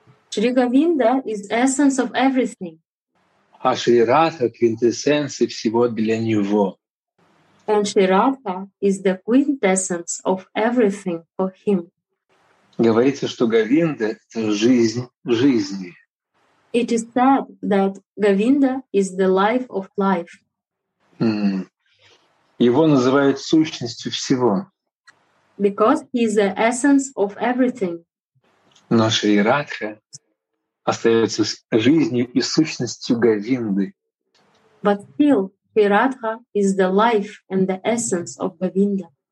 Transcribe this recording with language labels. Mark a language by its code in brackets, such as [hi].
[en] Шри Говинда is essence of everything. [ru] А Шри Радха — квинтэссенция всего для него. [en] And Шри Радха is the quintessence of everything for him. [ru] Говорится, что Говинда — это жизнь в жизни. [en] It is said that Govinda is the life of life. [ru] Его называют сущностью всего. [en] Because he is the essence of everything. [ru] Но Шри Радха остается жизнью и сущностью Говинды. [en] But still, Шри Радха is the life and the essence of Govinda.